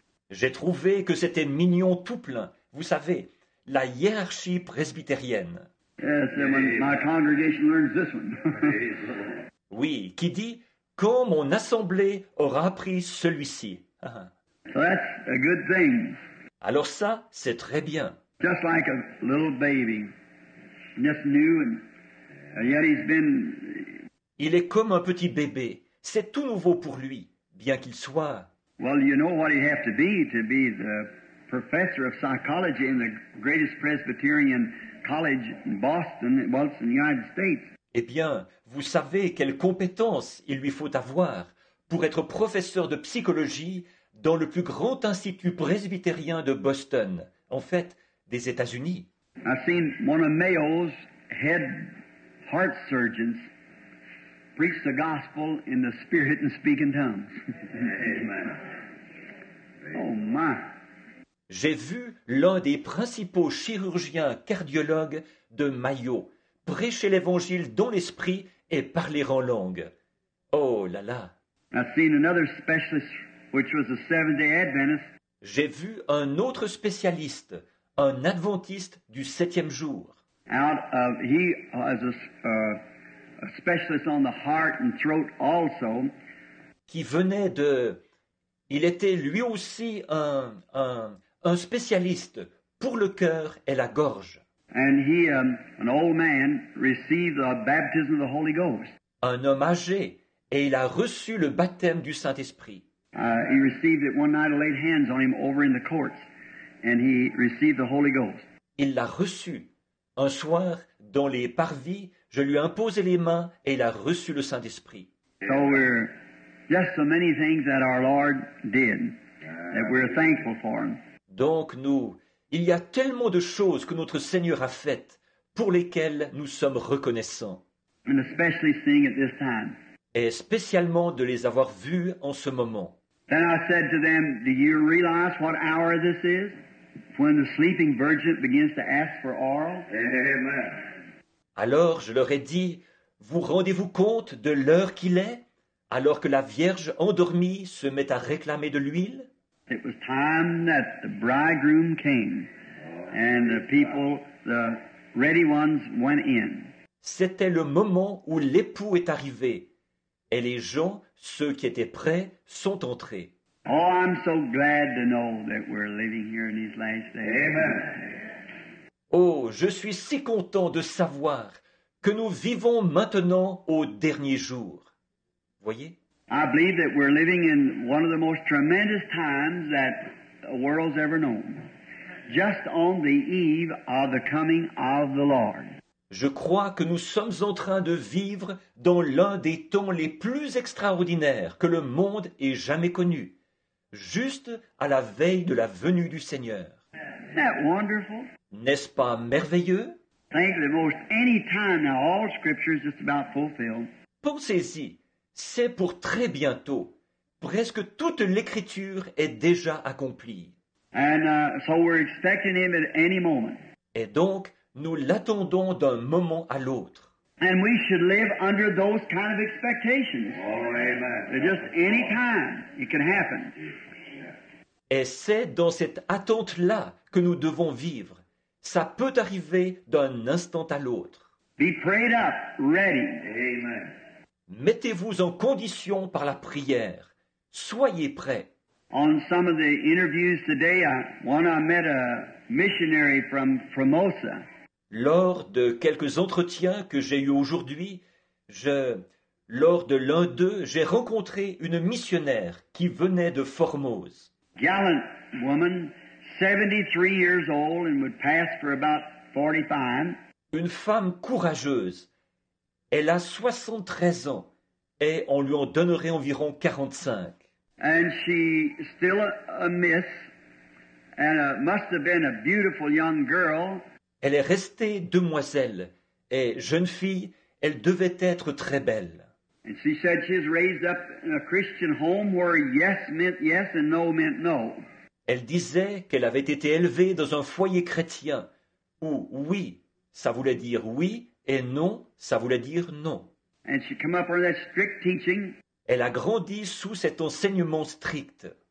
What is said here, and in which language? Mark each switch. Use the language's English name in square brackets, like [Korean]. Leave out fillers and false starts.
[French] J'ai trouvé que c'était mignon tout plein. Vous savez, la hiérarchie presbytérienne. [English] Yes, when my congregation learns this one. [French] Oui, qui dit, quand mon assemblée aura appris celui-ci. [English] So that's a good thing. [French] Alors ça, c'est très bien. [English] Just like a little baby, just new, and yet he's been... [French] Il est comme un petit bébé. C'est tout nouveau pour lui, bien qu'il soit... [English] Well, you know what he has to be the professor of psychology in the greatest Presbyterian college in Boston, well, it's in the United States. [French] Eh bien, vous savez quelles compétences il lui faut avoir pour être professeur de psychologie dans le plus grand institut presbytérien de Boston, en fait, des États-Unis. [English] I've seen one of Mayo's head heart surgeons preach the gospel in the spirit and speak in tongues. Amen. Oh my. [French] J'ai vu l'un des principaux chirurgiens cardiologues de Mayo prêcher l'évangile dans l'esprit et parler en langue. Oh là là. [English] I've seen another specialist which was a Seventh-day Adventist. [French] J'ai vu un autre spécialiste, un adventiste du septième jour. [English] Out of he as a specialist on the heart and throat also. [French] Qui venait de... Il était lui aussi un spécialiste pour le cœur et la gorge. [English] And he, an old man, received the baptism of the Holy Ghost. [French] Un homme âgé, et il a reçu le baptême du Saint-Esprit. [English] He received it one night, I laid hands on him over in the courts, and he received the Holy Ghost. [French] Il l'a reçu. Un soir, dans les parvis, je lui ai imposé les mains et il a reçu le Saint-Esprit. [English] So we're just so many things that our Lord did that we're thankful for him. [French] Donc nous, il y a tellement de choses que notre Seigneur a faites pour lesquelles nous sommes reconnaissants. [English] And especially seeing at this time. [French] Et spécialement de les avoir vus en ce moment. [English] Then I said to them, do you realize what hour this is? When the sleeping virgin begins to ask for oral? Amen. [French] Alors je leur ai dit, vous rendez-vous compte de l'heure qu'il est, alors que la Vierge endormie se met à réclamer de l'huile? [English] It was time that the bridegroom came, and the people, the ready ones, went in. [French] C'était le moment où l'époux est arrivé, et les gens, ceux qui étaient prêts, sont entrés. [English] Oh, I'm so glad to know that we're living here in these last days. Amen. [French] Oh, je suis si content de savoir que nous vivons maintenant au dernier jour. Voyez? [English] I believe that we're living in one of the most tremendous times that the world's ever known, just on the eve of the coming of the Lord. [French] Je crois que nous sommes en train de vivre dans l'un des temps les plus extraordinaires que le monde ait jamais connu, juste à la veille de la venue du Seigneur. [English] Isn't that wonderful? [French] N'est-ce pas merveilleux? [English] Think that most any time now all scripture is just about fulfilled. [French] Pensez-y. C'est pour très bientôt. Presque toute l'Écriture est déjà accomplie. [English] And, so we're expecting him at any moment. [French] Et donc, nous l'attendons d'un moment à l'autre. [English] And we should live under those kind of expectations. Oh, amen. Just any time it can happen. [French] Et c'est dans cette attente-là que nous devons vivre. Ça peut arriver d'un instant à l'autre. [English] Be prayed up, ready. Amen. [French] Mettez-vous en condition par la prière. Soyez prêts. [English] On some of the interviews today, I met a missionary from Formosa. [French] Lors de quelques entretiens que j'ai eus aujourd'hui, lors de l'un d'eux, j'ai rencontré une missionnaire qui venait de Formose. [English] Gallant woman, 73 years old and would pass for about 45. [French] Une femme courageuse. Elle a 73 ans et on lui en donnerait environ 45. [English] And she still a miss and must have been a beautiful young girl. [French] Elle est restée demoiselle et jeune fille, elle devait être très belle. [English] And she said she's raised up in a Christian home where yes meant yes and no meant no. [French] Elle disait qu'elle avait été élevée dans un foyer chrétien où oui, ça voulait dire oui et non, ça voulait dire non. [English] And she came up under that strict teaching. [French] Elle a grandi sous cet enseignement strict.